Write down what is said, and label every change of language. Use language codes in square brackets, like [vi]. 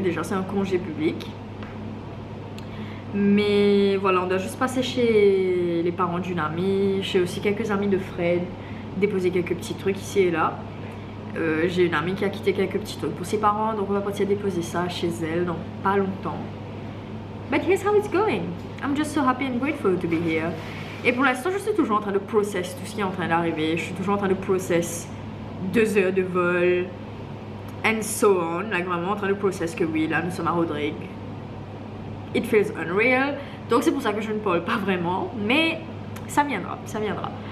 [fr] Déjà c'est un congé public. Mais voilà, on doit juste passer chez les parents d'une amie, chez aussi quelques amis de Fred, déposer quelques petits trucs ici et là. J'ai une amie qui a quitté quelques petits trucs pour ses parents, donc on va partir déposer ça chez elle dans pas longtemps. [en] But here's how it's going. I'm just so happy and grateful to be here. [fr] Et pour l'instant, je suis toujours en train de process tout ce qui est en train d'arriver. Je suis toujours en train de process 2 heures de vol [en] and so on. [fr] Like, vraiment en train de process que oui, là nous sommes à Roderick. [en] It feels unreal. [fr] Donc c'est pour ça que je ne parle pas vraiment, mais ça viendra, ça viendra.